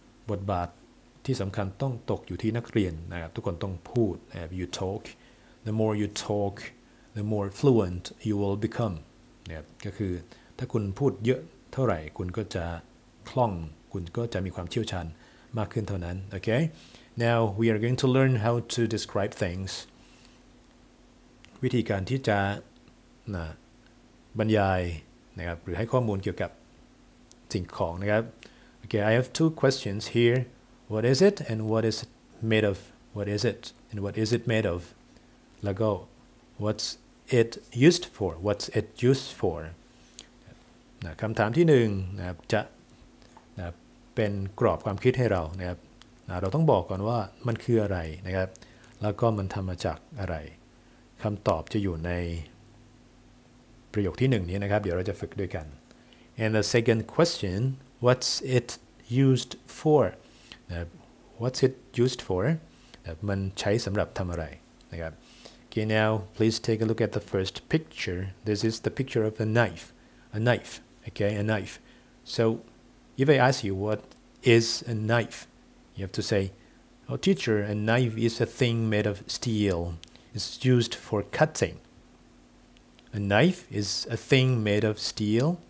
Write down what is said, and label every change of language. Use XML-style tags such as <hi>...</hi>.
<th>บทบาทที่สำคัญต้องตกอยู่ที่นักเรียนนะครับทุกคนต้องพูดนะครับ</th> <en>you talk the more you talk the more fluent you will become</en> <th>นะครับก็คือถ้าคุณพูดเยอะเท่าไหร่คุณก็จะคล่องคุณก็จะมีความเชี่ยวชาญมากขึ้นเท่านั้นโอเค</th> <en>now we are going to learn how to describe things</en> <th>วิธีการที่จะนะบรรยายนะครับหรือให้ข้อมูลเกี่ยวกับสิ่งของนะครับ</th> <en>Okay, I have two questions here. What is it and what is it made of? What is it and what is it made of?</en> <th>แล้วก็</th> <en>What's it used for?</en> <th>นะคำถามที่หนึ่งนะครับจะนะเป็นกรอบความคิดให้เรานะครับนะเราต้องบอกก่อนว่ามันคืออะไรนะครับแล้วก็มันทำมาจากอะไรคำตอบจะอยู่ในประโยคที่หนึ่งนี้นะครับเดี๋ยวเราจะฝึกด้วยกัน</th> <en>And the second question What's it used for? What's it used for?</en> <th>มันใช้สำหรับทำอะไรนะครับ</th> <en>Okay now please take a look at the first picture This is the picture of a knife Okay a knife So if I ask you what is a knife You have to say Oh teacher a knife is a thing made of steel It's used for cutting A knife is a thing made of steel.</en>